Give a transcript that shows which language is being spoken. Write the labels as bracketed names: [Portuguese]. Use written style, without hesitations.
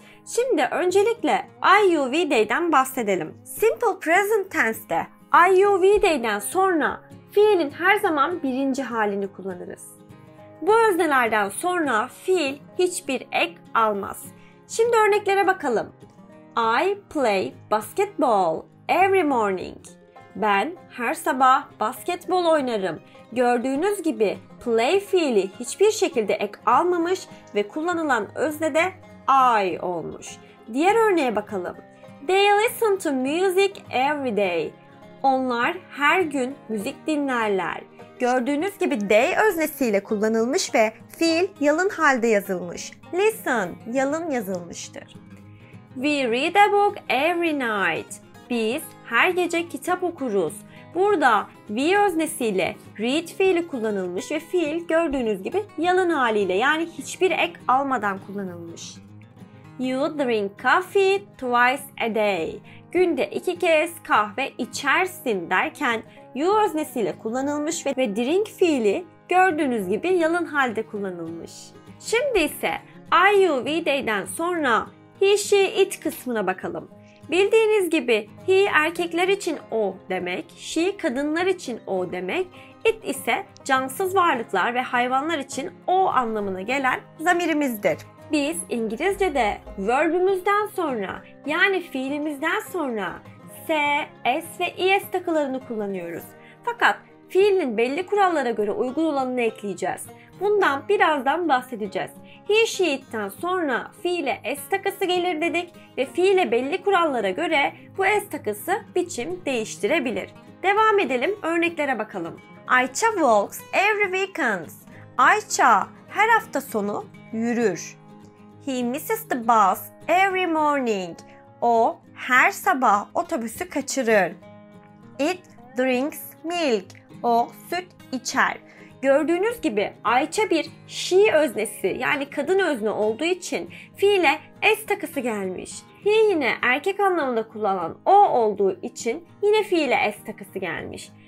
[Turkish] Şimdi öncelikle IUV Day'den bahsedelim. Simple Present Tense'de IUV Day'den sonra fiilin her zaman birinci halini kullanırız. Bu öznelerden sonra fiil hiçbir ek almaz. Şimdi örneklere bakalım. [English] I play basketball every morning. [Turkish] Ben her sabah basketbol oynarım. Gördüğünüz gibi play fiili hiçbir şekilde ek almamış ve kullanılan özne de I olmuş. Diğer örneğe bakalım. [English] They listen to music every day. [Turkish] Onlar her gün müzik dinlerler. Gördüğünüz gibi they öznesiyle kullanılmış ve fiil yalın halde yazılmış. Listen yalın yazılmıştır. [English] We read a book every night. [Turkish] Biz her gece kitap okuruz. Burada we öznesiyle read fiili kullanılmış ve fiil gördüğünüz gibi yalın haliyle yani hiçbir ek almadan kullanılmış. [English] You drink coffee twice a day. [Turkish] Günde iki kez kahve içersin derken you öznesiyle kullanılmış ve drink fiili gördüğünüz gibi yalın halde kullanılmış. Şimdi ise IUV Day'den sonra he, she, it kısmına bakalım. Bildiğiniz gibi he erkekler için o demek, she kadınlar için o demek, it ise cansız varlıklar ve hayvanlar için o anlamına gelen zamirimizdir. Biz İngilizce'de verb'ümüzden sonra yani fiilimizden sonra s, s ve es takılarını kullanıyoruz. Fakat fiilin belli kurallara göre uygun olanını ekleyeceğiz. Bundan birazdan bahsedeceğiz. He, she, it'ten sonra fiile es takısı gelir dedik ve fiile belli kurallara göre bu es takısı biçim değiştirebilir. Devam edelim, örneklere bakalım. [English] Ayça walks every weekend. [Turkish] Ayça her hafta sonu yürür. [English] He misses the bus every morning. [Turkish] O her sabah otobüsü kaçırır. [English] It drinks milk. [Turkish] O süt içer. Gördüğünüz gibi Ayça bir she öznesi yani kadın özne olduğu için fiile es takısı gelmiş. He yine erkek anlamında kullanılan o olduğu için yine fiile es takısı gelmiş.